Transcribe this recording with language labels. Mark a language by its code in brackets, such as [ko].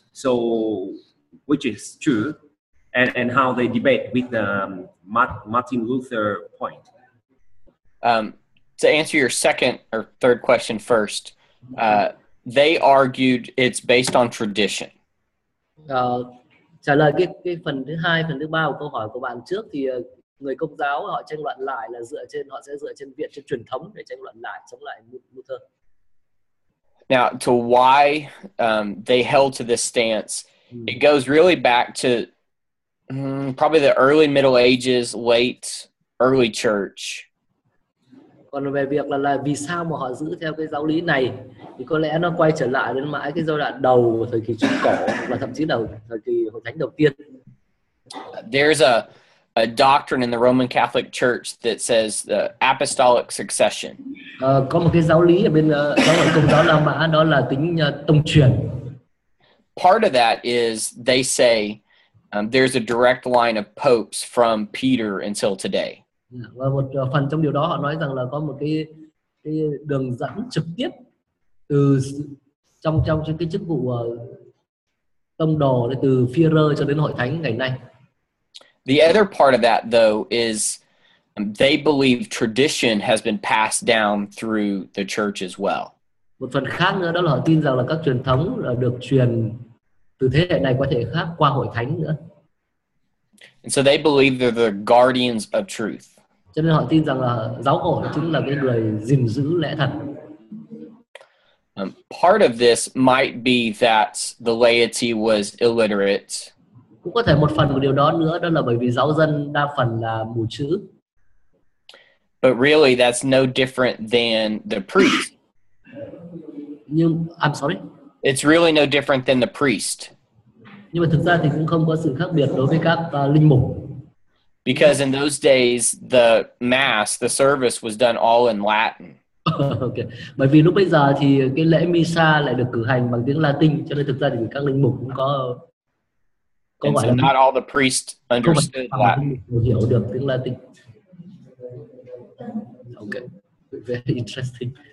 [en] So, which is true, and how they debate with the Martin Luther point. To answer your second or third question first, they argued it's based on tradition. [vi] Trả lời cái phần thứ hai, phần thứ ba của câu hỏi của bạn trước thì. Người Công giáo họ tranh luận lại là dựa trên họ sẽ dựa trên viện trên truyền thống để tranh luận lại chống lại Luther. [en] Now to why they held to this stance, it goes really back to probably the early Middle Ages, late early church. [vi] Còn về việc là vì sao mà họ giữ theo cái giáo lý này thì có lẽ nó quay trở lại đến mãi cái giai đoạn đầu của thời kỳ Trung Cổ và thậm chí là thời kỳ Hội Thánh đầu tiên. [en] There's a doctrine in the Roman Catholic Church that says the apostolic succession. [vi] Có một cái giáo lý ở bên giáo hội Công giáo La Mã đó là tính tông truyền. [en] part of that is they say there's a direct line of popes from Peter until today. [vi] Và một phần trong điều đó họ nói rằng là có một cái đường dẫn trực tiếp từ trong cái chức vụ tông đồ từ Phi-rơ cho đến hội thánh ngày nay. [en] The other part of that though is they believe tradition has been passed down through the church as well. [vi] Một phần khác nữa đó là họ tin rằng là các truyền thống được truyền từ thế hệ này qua thế hệ khác qua hội thánh nữa. [en] And so they believe they're the guardians of truth. [vi] Cho nên họ tin rằng là giáo hội chính là cái người gìn giữ lẽ thật. [en] Part of this might be that the laity was illiterate. [vi] Cũng có thể một phần của điều đó nữa đó là bởi vì giáo dân đa phần là mù chữ. [en] But really that's no different than the priest. [vi] Nhưng [en] I'm sorry. It's really no different than the priest. [vi] Nhưng mà thực ra thì cũng không có sự khác biệt đối với các linh mục. [en] Because in those days the mass, the service was done all in Latin. Okay. [vi] Bởi vì lúc bây giờ thì cái lễ Misa lại được cử hành bằng tiếng Latin, cho nên thực ra thì các linh mục cũng có gọi [en] so là not all the priests understood Latin. [vi] Hiểu được tiếng Latin. [en] Okay. Very interesting.